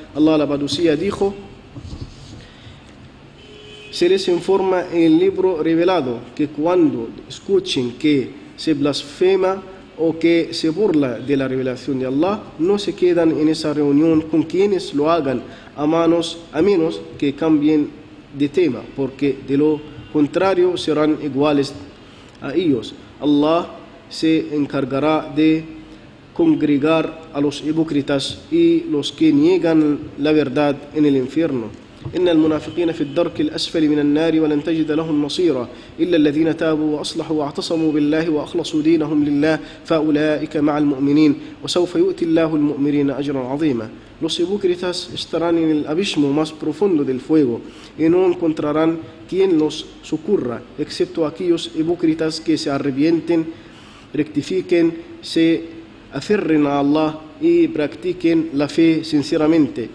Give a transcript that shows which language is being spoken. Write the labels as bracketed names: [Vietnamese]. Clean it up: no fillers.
[Spanish] Allah la Badusía dijo, se les informa en el libro revelado que cuando escuchen que se blasfema o que se burla de la revelación de Allah, no se quedan en esa reunión con quienes lo hagan, a menos que cambien de tema, porque de lo contrario serán iguales a ellos. Allah se encargará de congregar a los hipócritas y los que niegan la verdad en el infierno. [Arabic] إن المنافقين في الدرك الأسفل من النار ولن تجد لهم نصيرا إلا الذين تابوا وأصلحوا واعتصموا بالله وأخلصوا دينهم لله فأولئك مع المؤمنين وسوف يؤتي الله المؤمنين أجرا عظيما. [Spanish] Los hipócritas estarán en el abismo más profundo del fuego y no encontrarán quien los socorra excepto aquellos hipócritas que se arrepienten, rectifiquen, se aferren a Allah y practiquen la fe sinceramente.